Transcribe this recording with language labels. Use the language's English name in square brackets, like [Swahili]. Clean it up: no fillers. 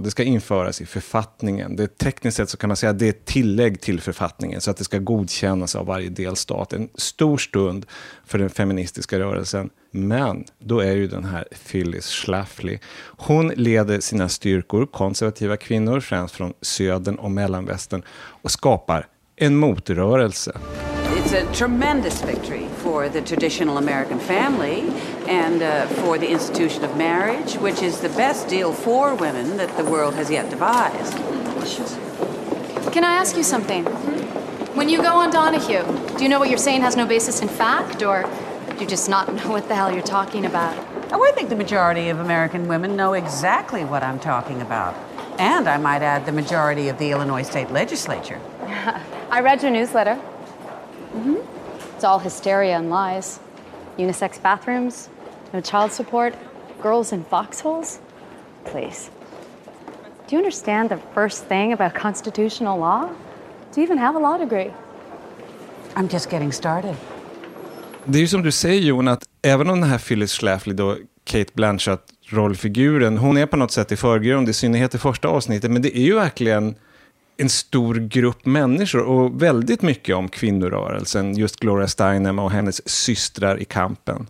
[Swedish] Det ska införas i författningen. Det är tekniskt sett så kan man säga att det är tillägg till författningen, så att det ska godkännas av varje delstat. En stor stund för den feministiska rörelsen. Men då är ju den här Phyllis Schlafly. Hon leder sina styrkor, konservativa kvinnor, främst från södern och mellanvästern, och skapar en motrörelse. [English] It's a tremendous victory for the traditional American family and for the institution of marriage, which is the best deal for women that the world has yet devised. Can I ask you something? When you go on Donahue, do you know what you're saying has no basis in fact, or do you just not know what the hell you're talking about? Oh, I think the majority of American women know exactly what I'm talking about. And I might add the majority of the Illinois State Legislature. I read your newsletter. Mm-hmm. It's all hysteria and lies. Unisex bathrooms, no child support, girls in foxholes. Please. Do you understand the first thing about constitutional law? Do you even have a law degree? I'm just getting started. [Swedish] Det är ju som du säger, Jon, att även om den här Phyllis Schlafly, då Kate Blanchett-rollfiguren, hon är på något sätt i förgrund, i synnerhet i första avsnittet, men det är ju verkligen en stor grupp människor och väldigt mycket om kvinnorörelsen, just Gloria Steinem och hennes systrar i kampen.